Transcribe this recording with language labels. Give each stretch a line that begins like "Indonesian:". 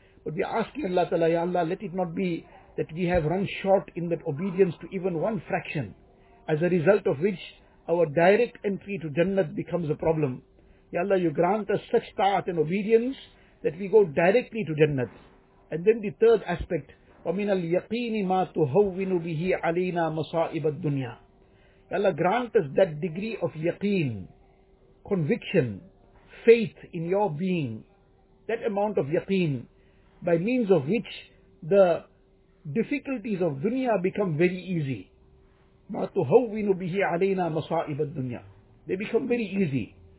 English: But we are asking Allah Ta'ala, Ya Allah, let it not be that we have run short in that obedience to even one fraction, as a result of which our direct entry to Jannat becomes a problem. Ya Allah, you grant us such ta'at and obedience that we go directly to Jannat. And then the third aspect,
Arabic: وَمِنَ الْيَقِينِ مَا تُهَوِّنُ بِهِ عَلَيْنَا مَصَائِبَ الدُّنْيَا.
English: Ya Allah, grant us that degree of yaqeen, conviction, faith in your being, that amount of yaqeen, by means of which the difficulties of dunya become very easy.
Arabic: مَا تُهَوِّنُ بِهِ عَلَيْنَا مَصَائِبَ الدُّنْيَا.
English: They become very easy.